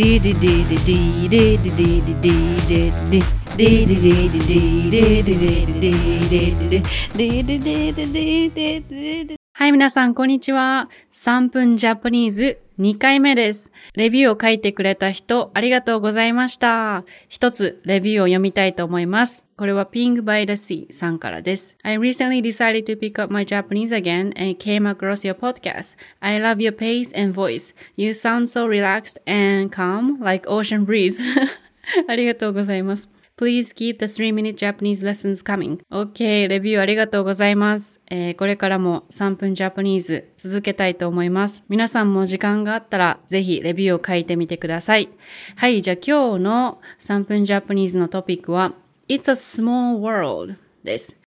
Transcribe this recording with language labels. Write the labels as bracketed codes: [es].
[ja] ディディディディディディディディディディディディディディディディディディディディディディディディディディディディディディディディディディ。はい、皆さんこんにちは。3分ジャパニーズ2回目です。レビューを書いてくれた人ありがとうございました。一つレビューを読みたいと思います。これは Ping by the Sea さんからです。 [en] I recently decided to pick up my Japanese again and came across your podcast. I love your pace and voice. You sound so relaxed and calm like ocean breeze. [ja] ありがとうございます。 [en] Please keep the 3-minute Japanese lessons coming. [ja] OK, レビューありがとうございます。これからも3分ジャパニーズ続けたいと思います。皆さんも時間があったらぜひレビューを書いてみてください。はい、じゃあ今日の3分ジャパニーズのトピックは [en] It's a small world [ja] です。